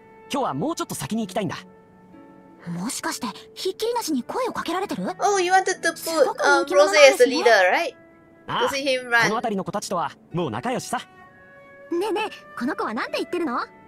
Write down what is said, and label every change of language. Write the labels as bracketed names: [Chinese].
[Japanese] 今日はもうちょっと先に行きたいんだ。もしかしてひっきりなしに声をかけられてる？ [English] Oh, you wanted to put Rosé as the leader, right? To see him run. [Japanese] この辺りの子たちとはもう仲良しさ。ねえねえ、この子は何て言ってるの？